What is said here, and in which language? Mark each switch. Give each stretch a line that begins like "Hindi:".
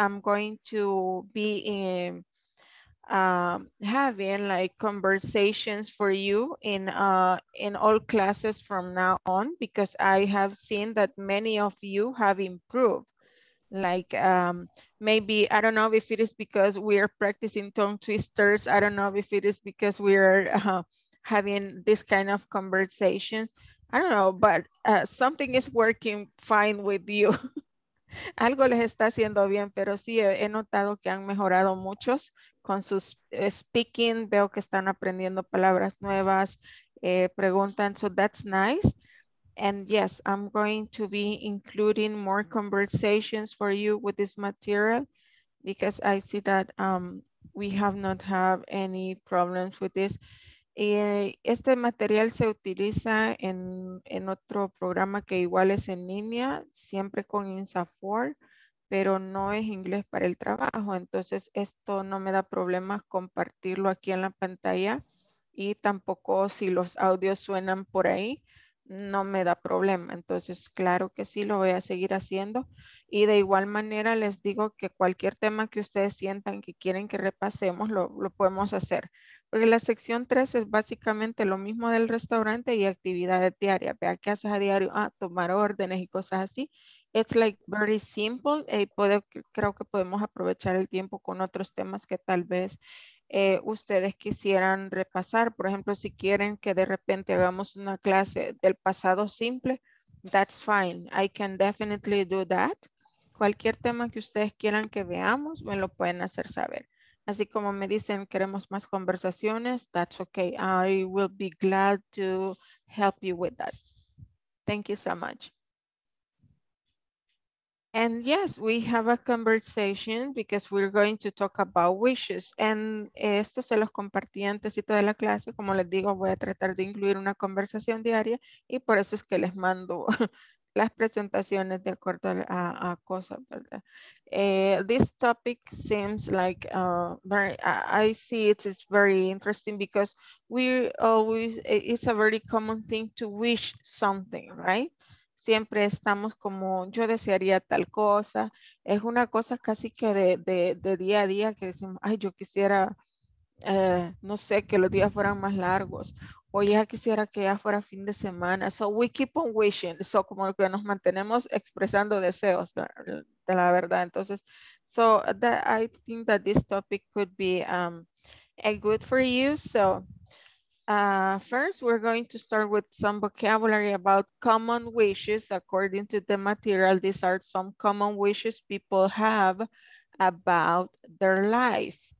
English: I'm going to be having like conversations for you in all classes from now on, because I have seen that many of you have improved. Like maybe, I don't know if it is because we are practicing tongue twisters. I don't know if it is because we are having this kind of conversation. I don't know, but something is working fine with you.
Spanish: Algo les está haciendo bien, pero sí he notado que han mejorado muchos con sus speaking. Veo que están aprendiendo palabras nuevas, preguntan.
English: So that's nice. And yes, I'm going to be including more conversations for you with this material, because I see that we have not have any problems with this.
Spanish: Este material se utiliza en otro programa que igual es en línea, siempre con INSAFORP, pero no es inglés para el trabajo. Entonces esto no me da problemas compartirlo aquí en la pantalla, y tampoco si los audios suenan por ahí, no me da problema. Entonces claro que sí lo voy a seguir haciendo. Y de igual manera les digo que cualquier tema que ustedes sientan que quieren que repasemos, lo podemos hacer. Porque la sección 3 es básicamente lo mismo del restaurante y actividades diarias. Vea, ¿qué haces a diario? Ah, tomar órdenes y cosas así.
English: It's like very simple.
Spanish: Creo que podemos aprovechar el tiempo con otros temas que tal vez ustedes quisieran repasar. Por ejemplo, si quieren que de repente hagamos una clase del pasado simple,
English: that's fine. I can definitely do that.
Spanish: Cualquier tema que ustedes quieran que veamos, me lo pueden hacer saber. Así como me dicen, queremos más conversaciones,
English: that's okay. I will be glad to help you with that. Thank you so much. And yes, we have a conversation because we're going to talk about wishes.
Spanish: And esto se los compartí antes de la clase. Como les digo, voy a tratar de incluir una conversación diaria. Y por eso es que les mando las presentaciones de acuerdo a cosas, ¿verdad?
English: This topic seems like I see it is very interesting, because we always, it's a very common thing to wish something, right?
Spanish: Siempre estamos como, yo desearía tal cosa. Es una cosa casi que de día a día, que decimos, ay, yo quisiera, no sé, que los días fueran más largos. O ya quisiera que ya fuera fin de semana.
English: So we keep on wishing.
Spanish: So como que nos mantenemos expresando deseos, de la verdad.
English: Entonces, so that I think that this topic could be good for you. So first, we're going to start with some vocabulary about common wishes. According to the material, these are some common wishes people have about their life.